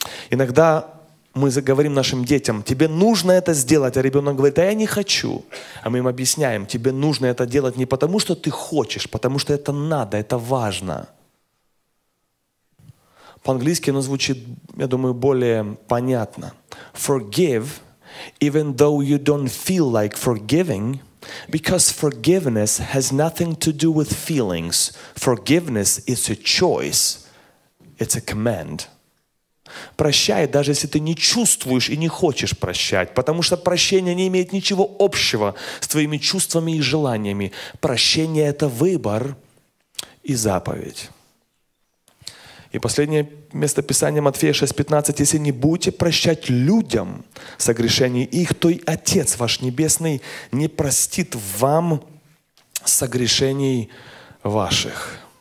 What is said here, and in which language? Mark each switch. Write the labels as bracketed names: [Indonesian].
[Russian] Иногда мы заговорим нашим детям, тебе нужно это сделать, а ребенок говорит, а я не хочу. А мы им объясняем, тебе нужно это делать не потому, что ты хочешь, потому что это надо, это важно. По-английски оно звучит, я думаю, более понятно. [English] Forgive, even though you don't feel like forgiving, because forgiveness has nothing to do with feelings. Forgiveness is a choice. It's a command. [Russian] Прощай, даже если ты не чувствуешь и не хочешь прощать, потому что прощение не имеет ничего общего с твоими чувствами и желаниями. Прощение — это выбор и заповедь. И последнее место Писания Матфея 6:15. «Если не будете прощать людям согрешения их, то и Отец ваш Небесный не простит вам согрешений ваших».